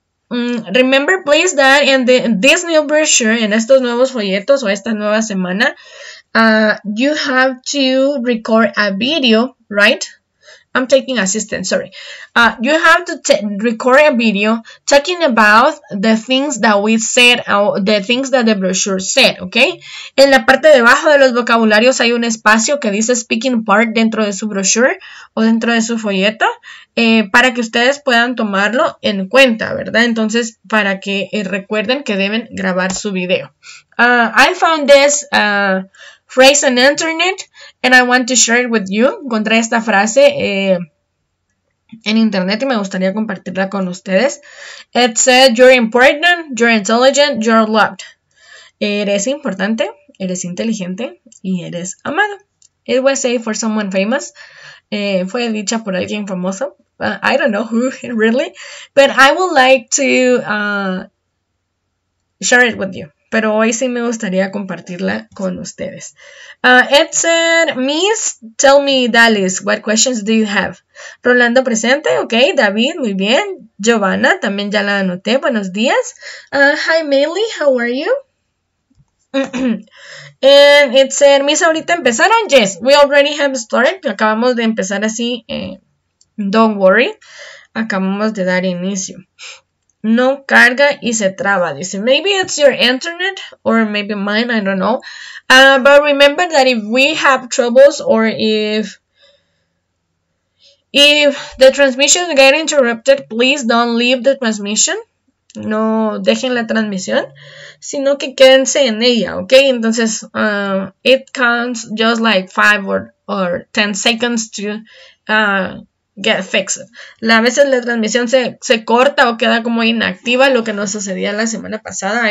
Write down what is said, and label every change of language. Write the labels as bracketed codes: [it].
[en] Remember, please, that in this new brochure, [es] en estos nuevos folletos o esta nueva semana, [en] you have to record a video, right? I'm taking assistance, sorry. You have to record a video talking about the things that we said, the things that the brochure said, okay? [es] En la parte debajo de los vocabularios hay un espacio que dice speaking part dentro de su brochure o dentro de su folleto para que ustedes puedan tomarlo en cuenta, ¿verdad? Entonces, para que recuerden que deben grabar su video. [en] I found this phrase on the internet, and I want to share it with you. [es] Encontré esta frase en internet y me gustaría compartirla con ustedes. [en] It said, you're important, you're intelligent, you're loved. [es] Eres importante, eres inteligente y eres amado. [en] It was said for someone famous. [es] Fue dicha por alguien famoso. [en] I don't know who, really. But I would like to share it with you. [es] Pero hoy sí me gustaría compartirla con ustedes. [en] Ed said, Miss, tell me, Dallas, what questions do you have? [es] Rolando presente, ok, David, muy bien. Giovanna, también ya la anoté, buenos días. [en] Hi, Maylee, how are you? And it said, Miss, [es] ¿ahorita empezaron? [en] Yes, we already have started. [es] Acabamos de empezar así, [en] don't worry. [es] Acabamos de dar inicio. No carga y se traba. [en] Dice, maybe it's your internet or maybe mine, I don't know. But remember that if we have troubles or if the transmission get interrupted, please don't leave the transmission. [es] No dejen la transmisión, sino que quédense en ella, ¿ok? Entonces, [en] it counts just like 5 or 10 seconds to get fixed. [es] A veces la transmisión se corta o queda como inactiva, lo que nos sucedía la semana pasada.